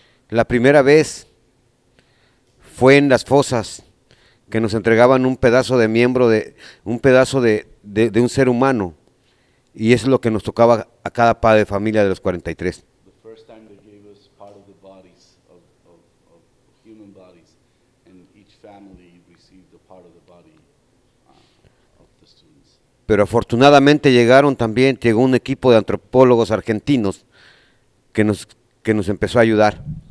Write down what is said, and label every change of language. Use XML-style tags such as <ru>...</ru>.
<es>La primera vez fue en las fosas, que nos entregaban un pedazo de miembro, de un pedazo de un ser humano, y eso es lo que nos tocaba a cada padre de familia de los 43.</es> <en>The first time they gave us part of the bodies of human bodies, and each family received a part of the body of the students.</en> <es>Pero afortunadamente llegó un equipo de antropólogos argentinos que nos empezó a ayudar.</es>